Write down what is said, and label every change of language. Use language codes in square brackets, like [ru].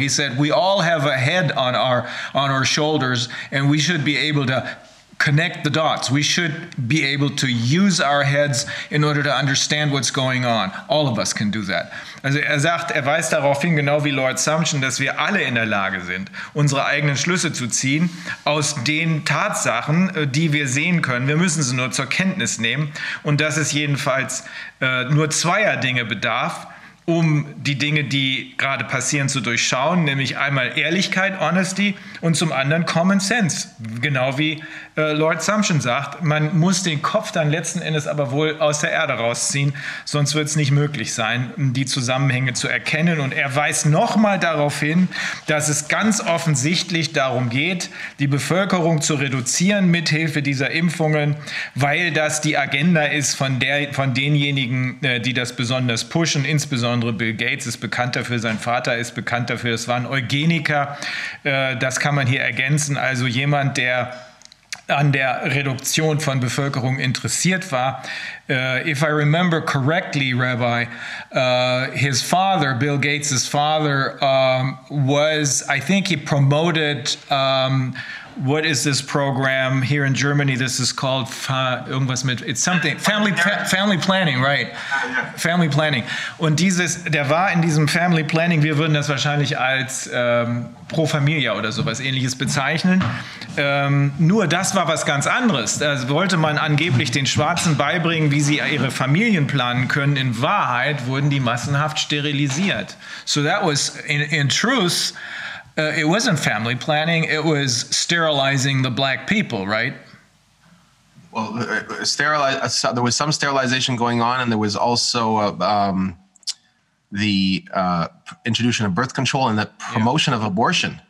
[en] He said, we all have a head on our shoulders and we should be able to connect the dots. We should be able to use our heads in order to understand what's going on. All of us can do that. [de] Also er sagt, er weist darauf hin, genau wie Lord Sumption, dass wir alle in der Lage sind, unsere eigenen Schlüsse zu ziehen aus den Tatsachen, die wir sehen können. Wir müssen sie nur zur Kenntnis nehmen. Und dass es jedenfalls nur zweier Dinge bedarf, um die Dinge, die gerade passieren, zu durchschauen, nämlich einmal Ehrlichkeit, Honesty, und zum anderen Common Sense. Genau wie Lord Sumption sagt, man muss den Kopf dann letzten Endes aber wohl aus der Erde rausziehen, sonst wird es nicht möglich sein, die Zusammenhänge zu erkennen. Und er weist nochmal darauf hin, dass es ganz offensichtlich darum geht, die Bevölkerung zu reduzieren mithilfe dieser Impfungen, weil das die Agenda ist von denjenigen, die das besonders pushen, insbesondere Bill Gates ist bekannt dafür, sein Vater ist bekannt dafür, es waren Eugeniker, das kann man hier ergänzen, also jemand, der an der Reduktion von Bevölkerung interessiert war. [en] If I remember correctly, Rabbi, his father, Bill Gates' father, was, I think he promoted, what is this program here in Germany? This is called, [de] irgendwas mit, [en] it's something, family planning, right. Family planning. [de] Und dieses, der war in diesem family planning, wir würden das wahrscheinlich als Pro Familia oder sowas ähnliches bezeichnen. Nur das war was ganz anderes. Da wollte man angeblich den Schwarzen beibringen, wie sie ihre Familien planen können. In Wahrheit wurden die massenhaft sterilisiert. [en] So that was, in truth, it wasn't family planning, it was sterilizing the black people, right? Well, there was some sterilization going on, and there was also the introduction of birth control and the promotion of abortion.